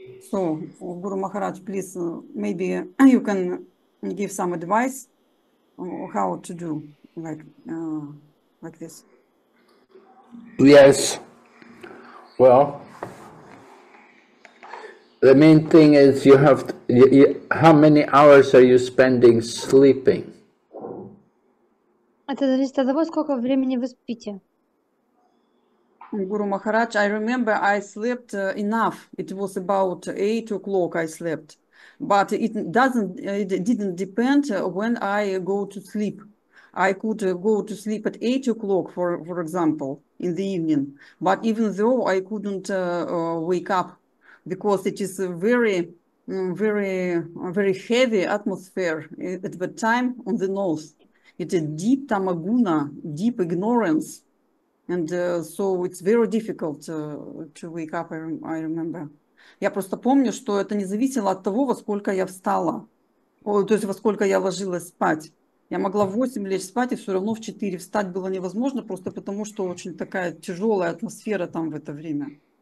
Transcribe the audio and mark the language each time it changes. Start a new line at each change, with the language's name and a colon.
English: So, Guru Maharaj, please, maybe you can give some advice on how to do like this. Yes. Well, the main thing is you have to, how many hours are you spending sleeping?
Russian: Это зависит от того, сколько времени вы спите.
English: Guru Maharaj, I remember I slept enough. It was about 8 o'clock I slept. but it didn't depend when I go to sleep. I could go to sleep at 8 o'clock, for example, in the evening. But even though I couldn't wake up, because it is a very, very, very heavy atmosphere at the time on the north. It's a deep tamaguna, deep ignorance. And so it's very difficult to wake up, I remember.
Russian: Я просто помню, что это не зависело от того, во сколько я встала. То есть во сколько я ложилась спать. Я могла в 8 лечь спать, и все равно в 4 встать было невозможно, просто потому что очень такая тяжелая атмосфера там в это время.